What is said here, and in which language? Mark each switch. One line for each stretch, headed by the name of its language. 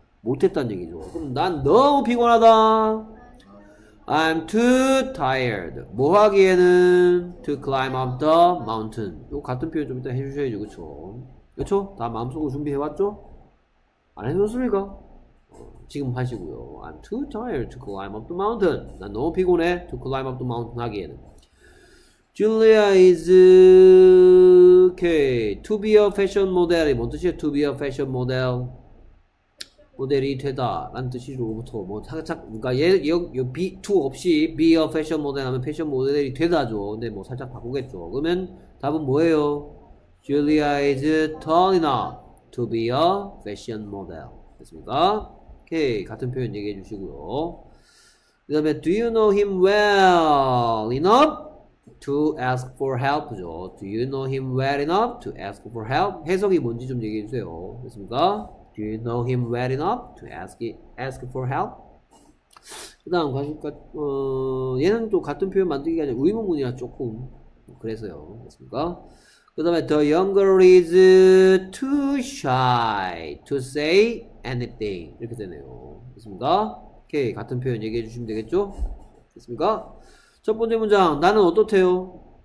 Korean: 못했단 얘기죠. 그럼 난 너무 피곤하다.
English: I'm too tired.
Korean: 뭐 하기에는
English: to climb up the mountain.
Korean: 요 같은 표현 좀 이따 해주셔야죠, 그쵸? 그쵸? 다 마음속으로 준비해왔죠? 안 해줬습니까? 지금 하시고요.
English: I'm too tired to climb up the mountain.
Korean: 난 너무 피곤해.
English: To climb up the mountain
Korean: 하기에는.
English: Julia is okay. To be a fashion model이
Korean: 뭔 뜻이에요?
English: To be a fashion model.
Korean: 모델이 되다라는 뜻이로부터 뭐 살짝 그러니까 얘 be to 없이 be a fashion model 하면 패션 모델이 되다죠. 근데 뭐 살짝 바꾸겠죠. 그러면 답은 뭐예요?
English: Julia is tall enough to be a fashion model.
Korean: 됐습니까? 오케이, 같은 표현 얘기해 주시고요. 그다음에
English: Do you know him well enough to ask for help죠? Do you know him well enough to ask for help?
Korean: 해석이 뭔지 좀 얘기해 주세요. 됐습니까?
English: Do you know him well enough to ask for help?
Korean: 그다음 얘는 또 같은 표현 만들기가 아니라 의문문이라 조금 그래서요. 됐습니까? 그다음에
English: the younger is too shy to say anything
Korean: 이렇게 되네요. 됐습니까? 오케이, 같은 표현 얘기해 주시면 되겠죠? 됐습니까? 첫 번째 문장, 나는 어떻대요?